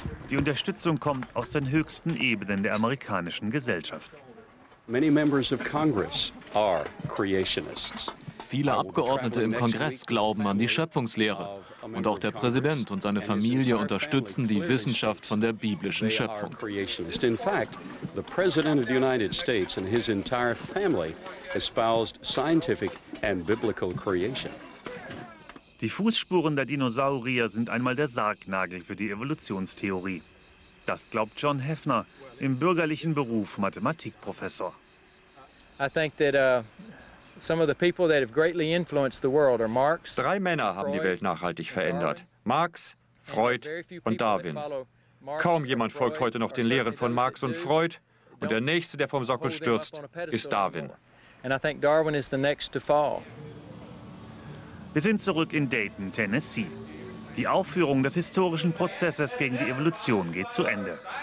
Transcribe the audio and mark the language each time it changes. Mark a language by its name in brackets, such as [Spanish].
[German] Die Unterstützung kommt aus den höchsten Ebenen der amerikanischen Gesellschaft. [English] Many members of Congress are creationists. [German] Viele Abgeordnete im Kongress glauben an die Schöpfungslehre. Und auch der Präsident und seine Familie unterstützen die Wissenschaft von der biblischen Schöpfung. [English] In fact, the President of the United States and his entire family espoused scientific and biblical creation. [German] Die Fußspuren der Dinosaurier sind einmal der Sargnagel für die Evolutionstheorie. Das glaubt John Hefner, im bürgerlichen Beruf Mathematikprofessor. [English] I think that, some of the people that have greatly influenced the world are Marx. [German] Drei Männer haben die Welt nachhaltig verändert: Marx, Freud und Darwin. Kaum jemand folgt heute noch den Lehren von Marx und Freud, und der nächste, der vom Sockel stürzt, ist Darwin. [English] And I think Darwin is the next to fall. [German] Wir sind zurück in Dayton, Tennessee. Die Aufführung des historischen Prozesses gegen die Evolution geht zu Ende.